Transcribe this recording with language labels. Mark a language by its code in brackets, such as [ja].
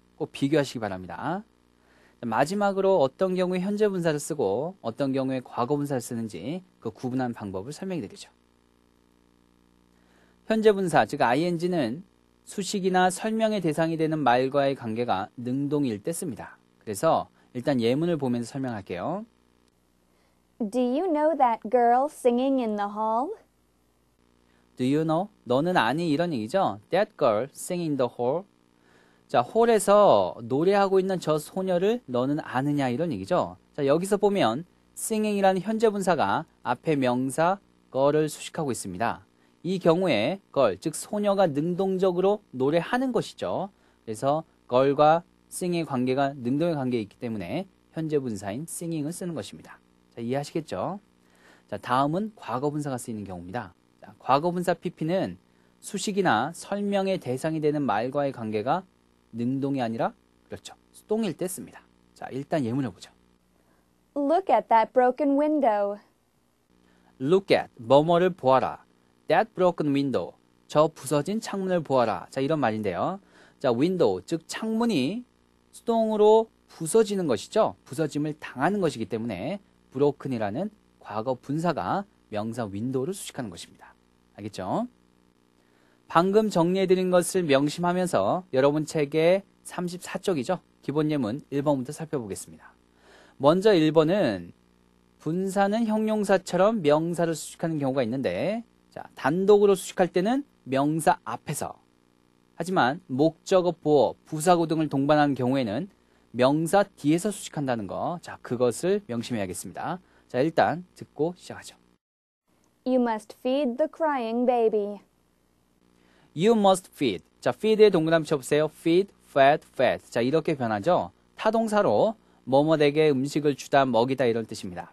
[ko] 꼭 비교하시기 바랍니다. 마지막으로 어떤 경우에 현재 분사를 쓰고 어떤 경우에 과거 분사를 쓰는지 그 구분하는 방법을 설명해 드리죠. 현재 분사, 즉 ing는 수식이나 설명의 대상이 되는 말과의 관계가 능동일 때 씁니다. 그래서 일단 예문을 보면서 설명할게요. [en] Do you know that girl singing in the hall? Do you know? [ko] 너는 아니 이런 얘기죠. [en] That girl singing in the hall. [ko] 자, 홀에서 노래하고 있는 저 소녀를 너는 아느냐 이런 얘기죠. 자, 여기서 보면 singing이라는 현재 분사가 앞에 명사 girl을 수식하고 있습니다. 이 경우에 girl, 즉 소녀가 능동적으로 노래하는 것이죠. 그래서 girl과 sing의 관계가 능동의 관계에 있기 때문에 현재 분사인 singing을 쓰는 것입니다. 자, 이해하시겠죠? 자, 다음은 과거 분사가 쓰이는 경우입니다. 자, 과거 분사 PP는 수식이나 설명의 대상이 되는 말과의 관계가 능동이 아니라, 그렇죠. 수동일 때 씁니다. 자, 일단 예문을 보죠. [en] Look at that broken window. Look at, [ko] 뭐뭐를 보아라. [en] That broken window. [ko] 저 부서진 창문을 보아라. 자, 이런 말인데요. 자, window, 즉, 창문이 수동으로 부서지는 것이죠. 부서짐을 당하는 것이기 때문에, broken이라는 과거 분사가 명사 window를 수식하는 것입니다. 알겠죠? 방금 정리해드린 것을 명심하면서 여러분 책의 34쪽이죠. 기본 예문 1번부터 살펴보겠습니다. 먼저 1번은 분사는 형용사처럼 명사를 수식하는 경우가 있는데, 자, 단독으로 수식할 때는 명사 앞에서. 하지만 목적어, 보어, 부사구 등을 동반하는 경우에는 명사 뒤에서 수식한다는 거. 자, 그것을 명심해야겠습니다. 자, 일단 듣고 시작하죠. [en] You must feed the crying baby. You must feed. [ko] 자, feed의 동그라미 쳐보세요. feed, fed, fed. 자, 이렇게 변하죠. 타동사로 뭐뭐에게 음식을 주다, 먹이다 이런 뜻입니다.